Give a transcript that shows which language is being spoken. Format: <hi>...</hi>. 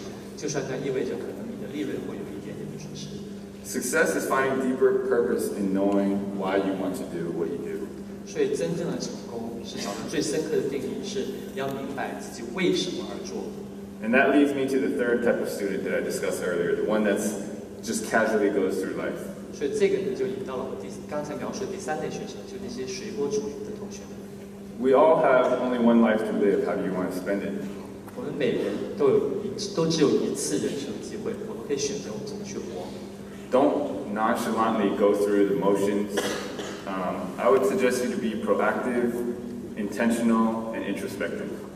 <zh>甚至说用你未来即将成立的公司去为社会带来更多的损失，就算它意味着可能你的利润会有一点点的损失。</zh> <en>Success is finding deeper purpose in knowing why you want to do what you do.</en> <zh>所以真正的成功是找到最深刻的定义，是要明白自己为什么而做。</zh> <en>And that leads me to the third type of student that I discussed earlier, the one that's just casually goes through life.</en> <zh>所以这个呢就引到了我刚才描述的第三类学生，就那些随波逐流的同学们。</zh> <en>We all have only one life to live. How do you want to spend it?</en> <zh>我们每人都只有一次人生机会，我们可以选择我们怎么去活。</zh> <en>Don't nonchalantly go through the motions. I would suggest you to be proactive, intentional, and introspective.</en>